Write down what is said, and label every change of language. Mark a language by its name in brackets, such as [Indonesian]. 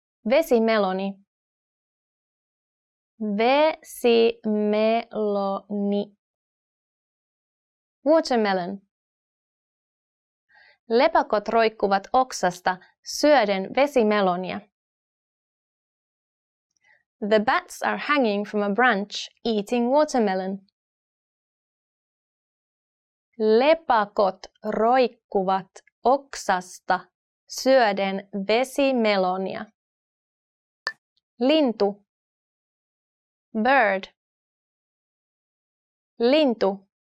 [Finnish] Vesimeloni. Vesimeloni. [English] Watermelon. [Finnish] Lepakot roikkuvat oksasta syöden vesimelonia. [English] The bats are hanging from a branch eating watermelon. [Finnish] Lepakot roikkuvat oksasta syöden vesimelonia. Lintu. [English] Bird. [Finnish] Lintu.